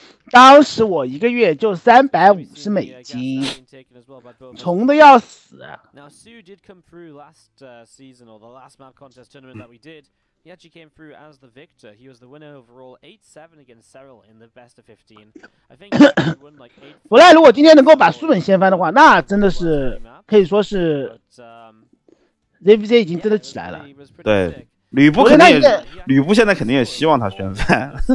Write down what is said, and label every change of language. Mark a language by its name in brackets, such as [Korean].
[Chinese] 当时我一个月就350美金，穷的要死。 [English] Now Sue did come through last season or the last map contest tournament that we did. He actually came through as the victor. He was the winner overall 8-7 against Cyril in the best of 15. I think he won like 8. [Chinese] 弗莱，如果今天能够把书本掀翻的话，那真的是可以说是 ZVZ 已经真的起来了。对，吕布肯定也，吕布现在肯定也希望他掀翻。